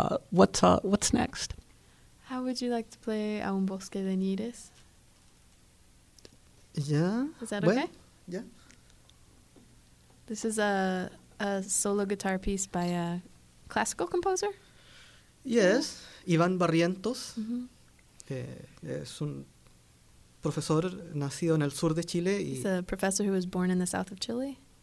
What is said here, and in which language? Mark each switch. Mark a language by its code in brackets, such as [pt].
[en] What's next? How would you like to play A Un Bosque de Nieves? Yeah. Is that okay? Yeah. This is a solo guitar piece by a classical composer? Yes, Iván Barrientos. Mm-hmm. [es] Es un profesor nacido en el sur de Chile. [en] He's a professor who was born in the south of Chile.